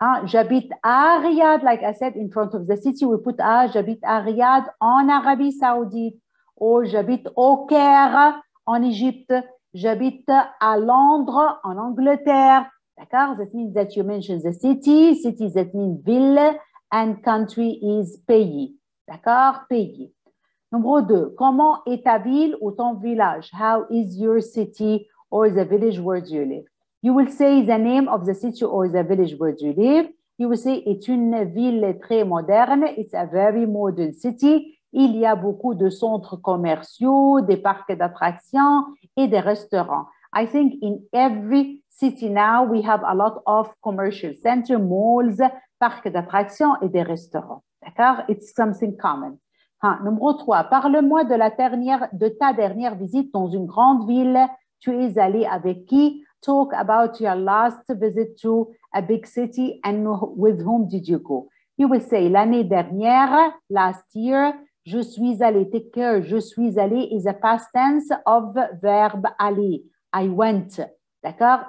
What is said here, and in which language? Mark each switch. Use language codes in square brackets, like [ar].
[fr] J'habite à Riyad, [en] like I said, in front of the city, we put [fr] à, j'habite à Riyad en Arabie Saoudite, ou j'habite au Caire en Égypte, j'habite à Londres en Angleterre. D'accord? [en] That means that you mention the city. City, that means ville, and country is pays. [fr] D'accord? Pays. Numéro 2, comment est ta ville ou ton village? [en] How is your city or the village where do you live? You will say the name of the city or the village where do you live. You will say it's [fr] une ville très moderne. [en] It's a very modern city. [fr] Il y a beaucoup de centres commerciaux, des parcs d'attractions et des restaurants. [en] I think in every city now we have a lot of commercial centers, malls, [fr] parcs d'attractions et des restaurants. D'accord? [en] It's something common. [fr] Numéro 3, parle-moi de ta dernière visite dans une grande ville. Tu es allé avec qui? [en] Talk about your last visit to a big city and with whom did you go? You will say, [fr] l'année dernière, [en] last year, [fr] Je suis allé. [en] Take care. Je suis allé is a past tense of verb aller. I went. D'accord?